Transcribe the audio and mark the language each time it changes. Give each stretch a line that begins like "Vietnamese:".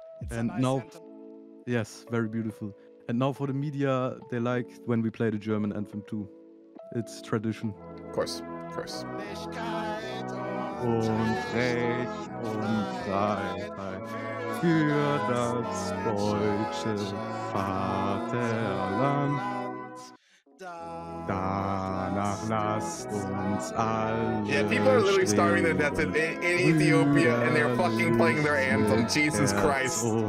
English: And nice now, anthem. Yes, very beautiful. And now for the media, they like when we play the German anthem too. It's tradition. Of course.
German: Und Recht und Freiheit für das deutsche Vaterland. Danach lasst uns alle.
English: Yeah, people are literally starving to death in Ethiopia and they're fucking playing their anthem. Jesus Christ.